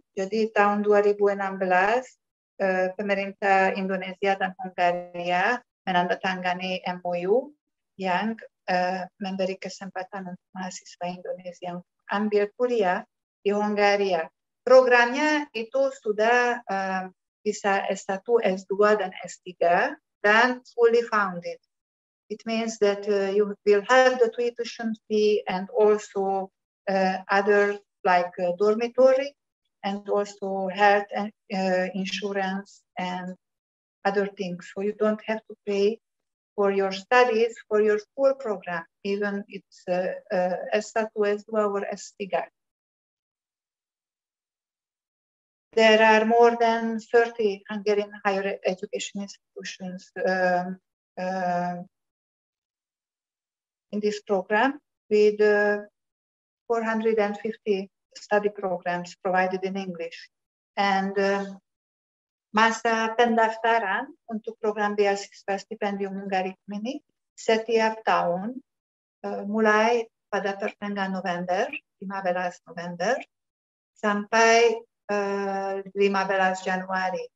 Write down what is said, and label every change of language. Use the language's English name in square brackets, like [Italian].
[Indonesian] Jadi tahun 2016, pemerintah Indonesia dan Hungaria menandatangani MOU yang memberi kesempatan untuk mahasiswa Indonesia ambil kuliah di Hungaria. Programnya itu sudah bisa S1, S2, dan S3, dan fully funded. [English] It means that you will have the tuition fee and also other like dormitory and also health and insurance and other things. So you don't have to pay for your studies, for your full program, even it's S2, S2 or S3. There are more than 30 Hungarian higher education institutions in this program with 450 study programs provided in English. And [Indonesian] masa pendaftaran untuk program beasiswa Stipendium Hungaricum ini setiap tahun mulai pada pertengahan November, 15 November, sampai 15 Januari.